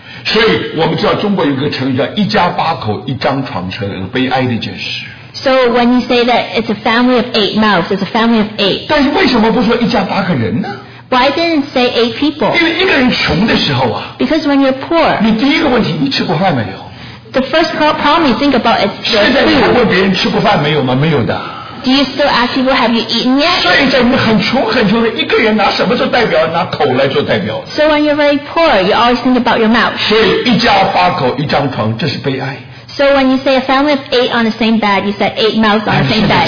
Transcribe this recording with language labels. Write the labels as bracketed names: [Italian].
[Chinese] 所以我们知道中国有个成语叫一家八口一张床，是很悲哀的一件事。 [English] So when you say that it's a family of eight mouths, it's a family of eight. [Chinese] 但是为什么不说一家八个人呢？ [English] Why didn't say eight people? [Chinese] 因为一个人穷的时候啊, [English] because when you're poor, [Chinese] 你第一个问题, [English] the first problem you think about is food. Do you still ask people, have you eaten yet? [Chinese] 所以在你们很穷很穷的一个人拿什么做代表, [English] so when you're very poor, you always think about your mouth. [Chinese] 所以一家八口一张床, [English] so when you say a family of eight on the same bed, you said eight mouths on the same bed.